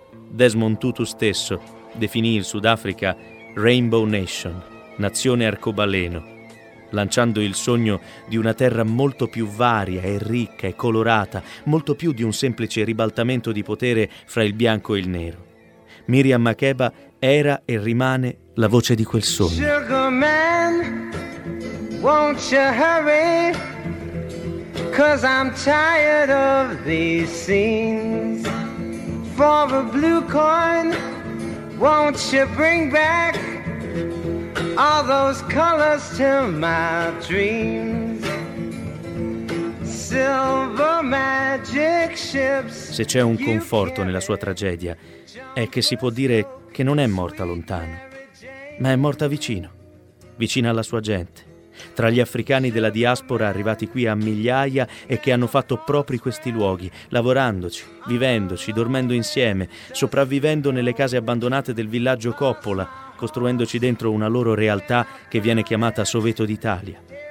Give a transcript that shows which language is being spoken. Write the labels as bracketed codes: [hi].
[it] Desmond Tutu stesso definì il Sudafrica Rainbow Nation, nazione arcobaleno, lanciando il sogno di una terra molto più varia e ricca e colorata, molto più di un semplice ribaltamento di potere fra il bianco e il nero. Miriam Makeba era e rimane la voce di quel sogno. [en] Sugar man, won't you hurry? 'Cause I'm tired of these scenes. For a blue coin, won't you bring back all those colors to my dreams. Silver magic ships. [it] Se c'è un conforto nella sua tragedia, è che si può dire che non è morta lontano, ma è morta vicino, vicino alla sua gente, tra gli africani della diaspora arrivati qui a migliaia e che hanno fatto propri questi luoghi, lavorandoci, vivendoci, dormendo insieme, sopravvivendo nelle case abbandonate del villaggio Coppola, costruendoci dentro una loro realtà che viene chiamata Soweto d'Italia.